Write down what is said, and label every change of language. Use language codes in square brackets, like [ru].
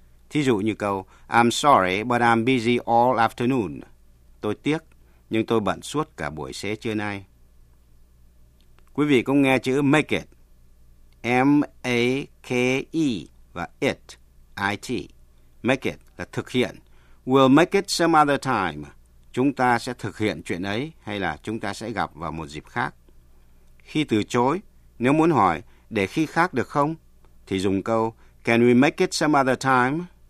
[vi] Thí dụ như câu, [en] I'm sorry, but I'm busy all afternoon. [vi] Tôi tiếc, nhưng tôi bận suốt cả buổi xế trưa nay. Quý vị cũng nghe chữ make it, M-A-K-E và it, I-T. Make it là thực hiện. [en] We'll make it some other time. [vi] Chúng ta sẽ thực hiện chuyện ấy hay là chúng ta sẽ gặp vào một dịp khác. Khi từ chối, nếu muốn hỏi để khi khác được không, thì dùng câu [en] Can we make it some other time?